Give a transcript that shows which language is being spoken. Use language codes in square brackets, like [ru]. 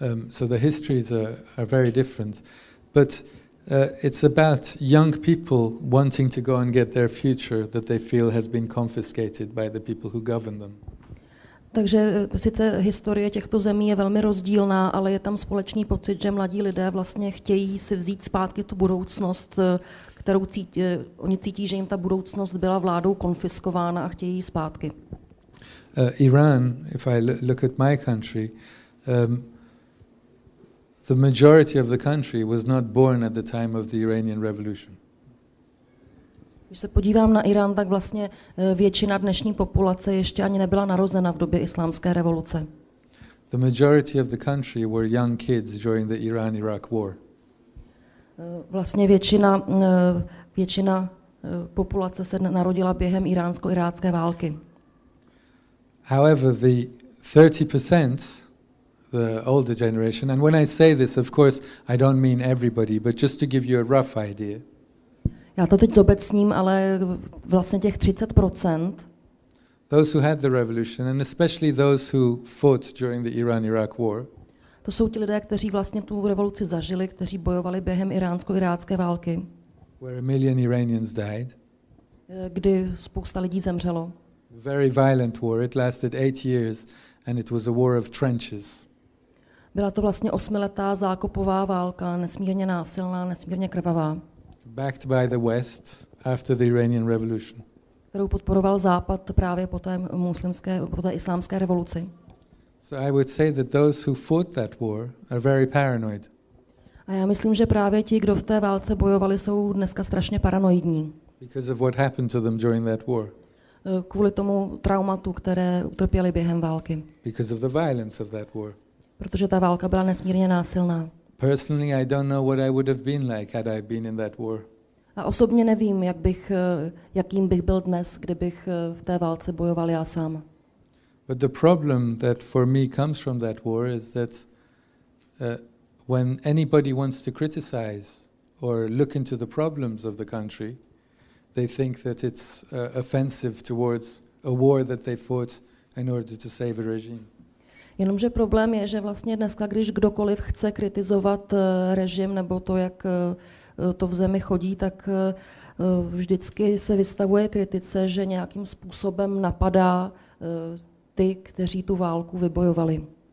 [en] So the histories are very different, but it's about young people wanting to go and get their future that they feel has been confiscated by the people who govern them. [cs] Takže sice historie těchto zemí je velmi rozdílná, ale je tam společný pocit, že mladí lidé vlastně chtějí si vzít zpátky tu budoucnost, kterou oni cítí, že jim ta budoucnost byla vládou konfiskována a chtějí zpátky. [en] Iran, if I look at my country, the majority of the country was not born at the time of the Iranian revolution. [cs] Když se podívám na Irán, tak vlastně většina dnešní populace ještě ani nebyla narozena v době islámské revoluce. [en] The majority of the country were young kids during the Iran-Iraq war. [cs] Vlastně většina populace se narodila během iránsko-irácké války. [en] However, the 30%, the older generation, and when I say this, of course, I don't mean everybody, but just to give you a rough idea. [cs] Já to teď zobecním, ale vlastně těch 30%. [en] Those who had the revolution and especially those who fought during the Iran-Iraq war. [cs] To jsou ti lidé, kteří vlastně tu revoluci zažili, kteří bojovali během iránsko-irácké války. [en] Where a million Iranians died. [cs] Kdy spousta lidí zemřelo. [en] Very violent war. It lasted 8 years and it was a war of trenches. [cs] Byla to vlastně 8letá zákopová válka, nesmírně násilná, nesmírně krvavá. [en] Backed by the West after the Iranian revolution. [cs] Kterou podporoval Západ právě po té islámské revoluci. [en] So I would say that those who fought that war are very paranoid. [cs] A já myslím, že právě ti, kdo v té válce bojovali, jsou dneska strašně paranoidní. [en] Because of what happened to them during that war. [cs] Kvůli tomu traumatu, které utrpěli během války. [en] Because of the violence of that war. [cs] Protože ta válka byla nesmírně násilná. [en] Personally, I don't know what I would have been like had I been in that war. [cs] A osobně nevím, jakým bych byl dnes, kdybych v té válce bojoval já sám. [en] But the problem that for me comes from that war is that when anybody wants to criticize or look into the problems of the country, they think that it's offensive towards a war that they fought in order to save a regime. [cs] Jenomže problém je, že vlastně dneska, když kdokoliv chce kritizovat režim nebo to, jak to v zemi chodí, tak vždycky se vystavuje kritice, že nějakým způsobem napadá ty, kteří tu válku vybojovali.